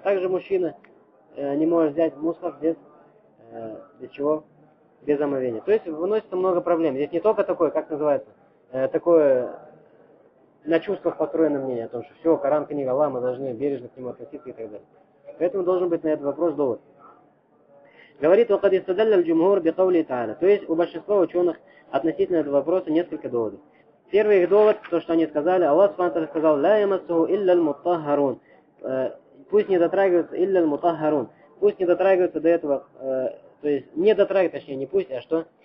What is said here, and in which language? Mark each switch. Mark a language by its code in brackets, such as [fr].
[ru] Также мужчина не может взять мусхаф без чего? Без омовения. То есть выносится много проблем. Здесь не только такое, как называется, такое на чувствах построено мнение о том, что все, Коран, книга Аллаха, мы должны бережно к нему относиться и так далее. Поэтому должен быть на этот вопрос довод. Говорит, [ar] وَقَدْ إِسْتَدَلَّ الْجُمْهُورُ بِقَوْلِهِ تَعَالَى. [ru] То есть у большинства ученых относительно этого вопроса несколько доводов. Первый их довод, то, что они сказали, Аллах СВТ сказал, [ar] لَا يَمَسُهُ إِلَّا الْمُطَّهَّرُونَ. [ru] Пусть не дотрагиваются, [ar] إِلَّا الْمُطَّهَّرُونَ. [ru] Пусть не дотрагиваются до этого, то есть не дотрагиваются, точнее не пусть, а что?